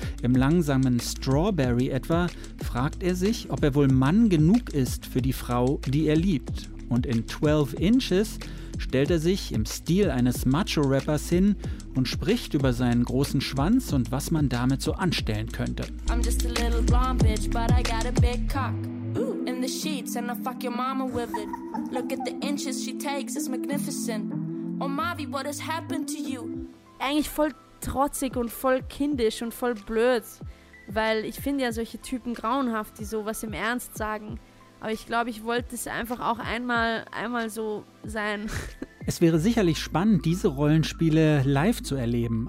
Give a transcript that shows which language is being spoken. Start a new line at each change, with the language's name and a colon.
German: Im langsamen Strawberry etwa fragt er sich, ob er wohl Mann genug ist für die Frau, die er liebt. Und in 12 Inches stellt er sich im Stil eines Macho-Rappers hin und spricht über seinen großen Schwanz und was man damit so anstellen könnte.
English: I'm just a little blonde bitch, but I got a big cock. In the sheets and I fuck your mama with it. Look at the inches she takes, it's magnificent. Oh Mavi, what has happened to you?
German: Eigentlich voll trotzig und voll kindisch und voll blöd. Weil ich finde ja solche Typen grauenhaft, die sowas im Ernst sagen. Aber ich glaube, ich wollte es einfach auch einmal so sein. Es wäre sicherlich spannend, diese Rollenspiele live zu erleben.